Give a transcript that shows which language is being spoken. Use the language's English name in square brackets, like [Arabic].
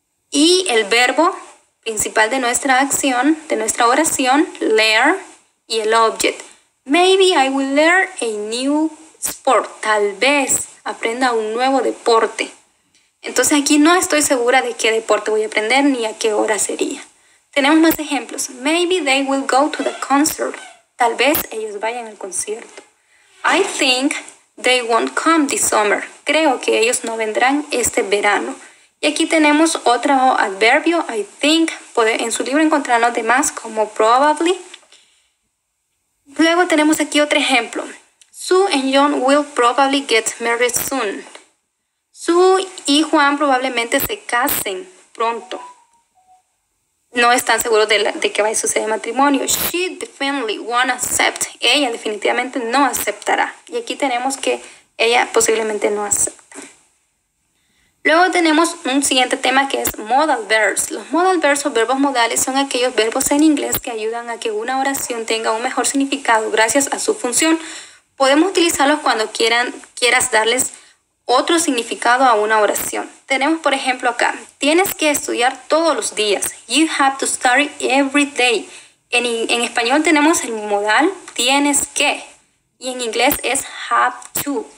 [Spanish] Y el verbo principal de nuestra acción, de nuestra oración, learn, y el object. [English] Maybe I will learn a new sport, [Spanish] tal vez aprenda un nuevo deporte. Entonces aquí no estoy segura de qué deporte voy a aprender ni a qué hora sería. Tenemos más ejemplos. [English] Maybe they will go to the concert. [Spanish] Tal vez ellos vayan al concierto. [English] I think they won't come this summer. [Spanish] Creo que ellos no vendrán este verano. Y aquí tenemos otro adverbio, I think. En su libro encontrarán los demás como probably. Luego tenemos aquí otro ejemplo. [English] Sue and John will probably get married soon. [Spanish] Sue y Juan probablemente se casen pronto. No están seguros de que vaya a suceder el matrimonio. [English] She definitely won't accept. [Spanish] Ella definitivamente no aceptará. Y aquí tenemos que ella posiblemente no acepta. Luego tenemos un siguiente tema que es modal verbs. Los modal verbs o verbos modales son aquellos verbos en inglés que ayudan a que una oración tenga un mejor significado gracias a su función. Podemos utilizarlos cuando quieras darles otro significado a una oración. Tenemos por ejemplo acá, tienes que estudiar todos los días. [English] You have to study every day. [Spanish] En español tenemos el modal tienes que y en inglés es have to.